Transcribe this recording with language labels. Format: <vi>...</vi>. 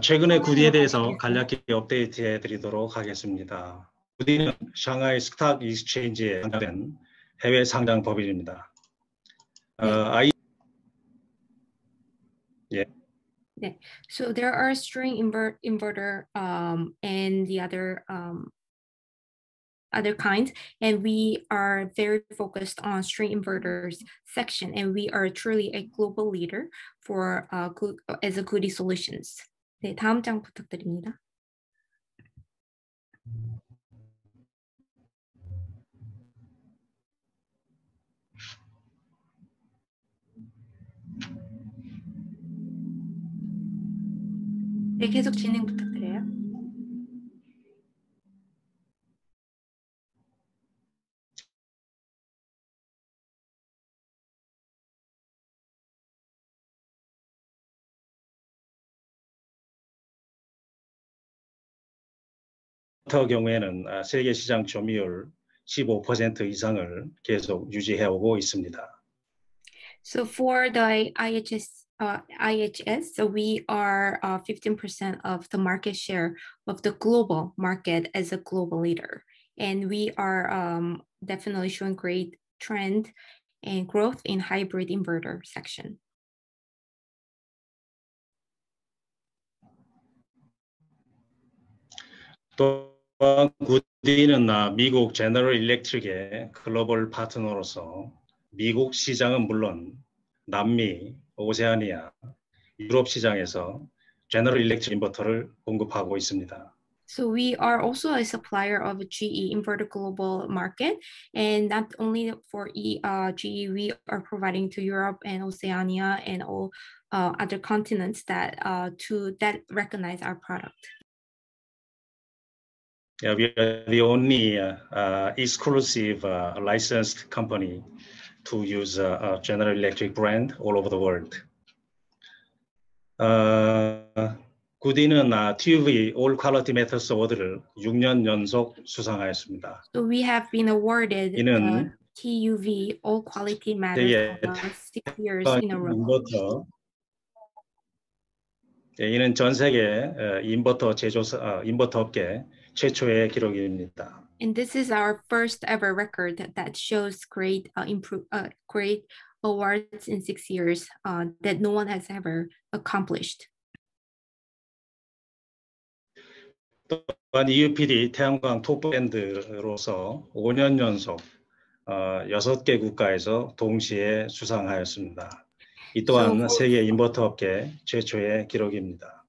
<ko>최근에 구디에 대해서 간략히 업데이트해드리도록 하겠습니다. 구디는 샹하이 스탁 익스체인지에 상장된 해외 상장 법인입니다. 네.</ko> <en>So there are string inverter and the other kinds, and we are very focused on string inverters section, and we are truly a global leader for as a Goodway solutions.</en> <ko>네, 다음 장 부탁드립니다. 네, 계속 진행 부탁드려요. 터 경우에는 세계 시장 점유율 15% 이상을 계속 유지해 오고 있습니다.</ko> <en>So for the IHS, so we are 15% of the market share of the global market as a global leader. And we are definitely showing great trend and growth in hybrid inverter section.</en> <ko>또한 구디는 미국 제너럴 일렉트릭의 글로벌 파트너로서 미국 시장은 물론 남미, 오세아니아, 유럽 시장에서 제너럴 일렉트릭 인버터를 공급하고 있습니다.</ko> <en>So we are also a supplier of GE inverter global market, and not only for GE, we are providing to Europe and Oceania and all other continents that recognize our product. Yeah, we are the only exclusive licensed company to use a General Electric brand all over the world.</en> <ko>Goodin은 TUV All Quality Matters Award를 6년 연속 수상하였습니다.</ko> <en>So we have been awarded the TUV All Quality Matters Award 6 years in a row.</en> <ko>이는 전 세계 인버터 제조사 인버터 업계 최초의 기록입니다.</ko> <en>And this is our first ever record that shows great awards in 6 years that no one has ever accomplished.</en> <ko>또한 EUPD 태양광 톱밴드로서 5년 연속 6개 국가에서 동시에 수상하였습니다. 이 또한 세계 인버터 업계 최초의 기록입니다.</ko>